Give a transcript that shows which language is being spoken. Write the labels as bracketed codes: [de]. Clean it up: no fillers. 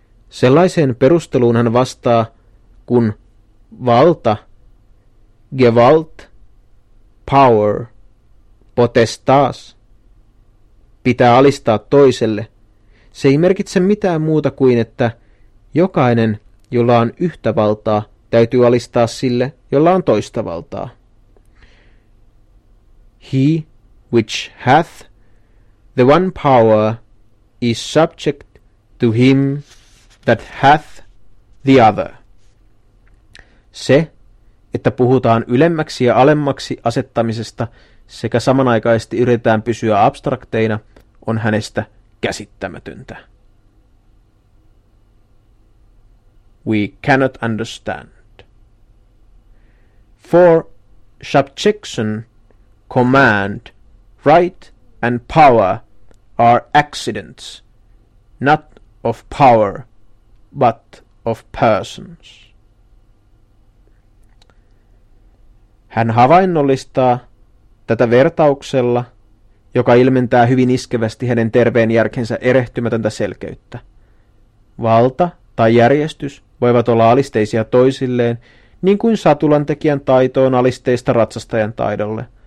[fi] Sellaiseen perusteluun hän vastaa, kun valta, gewalt, power, potestas, pitää alistaa toiselle. Se ei merkitse mitään muuta kuin, että jokainen, jolla on yhtä valtaa, täytyy alistaa sille, jolla on toista valtaa. [en] He which hath the one power is subject to him that hath the other. [fi] Se, että puhutaan ylemmäksi ja alemmaksi asettamisesta sekä samanaikaisesti yritetään pysyä abstrakteina, on hänestä käsittämätöntä. [en] We cannot understand. For subjection, command, right and power are accidents, not of power, but of persons. [fi] Hän havainnollistaa tätä vertauksella, joka ilmentää hyvin iskevästi hänen terveen järkensä erehtymätöntä selkeyttä. Valta tai järjestys voivat olla alisteisia toisilleen, niin kuin satulan tekijän taito on alisteista ratsastajan taidolle.